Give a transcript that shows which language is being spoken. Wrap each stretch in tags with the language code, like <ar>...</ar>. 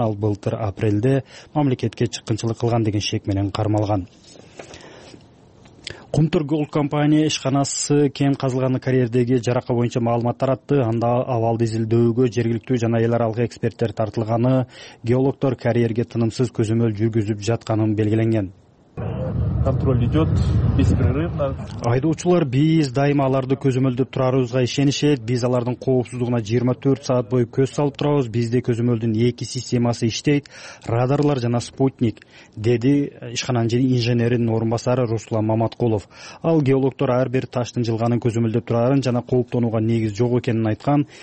<ky>Ал былтыр апрелде мамлекетке чыккынчылык кылган деген шек менен кармалган. Кумтур Gold компания ишканасы кен казылган карьердеги жарака боюнча маалымат таратты. Анда абалды изилдөөгө жергиликтүү жана эл аралык эксперттер тартылганы, геологтор карьерге тынымсыз көзөмөл жүргүзүп жатканын белгиленген.</ky> <ru>Контроль идет беспрерывно.</ru> <ky>Айдоочулар, биз дайыма аларды көзөмөлдөп турарыбызга ишенишет. Биз алардын коопсуздугуна 24 саат бою көз салып турабыз. Бизде көзөмөлдүн 2 системасы иштейт: радарлар жана спутник, деди ишкананын инженеринин орун басары Руслан Маматкулов. Ал геологтор ар бир таштын жылганын көзөмөлдөп турарын жана кооптонууга негиз жок экенин айткан.</ky>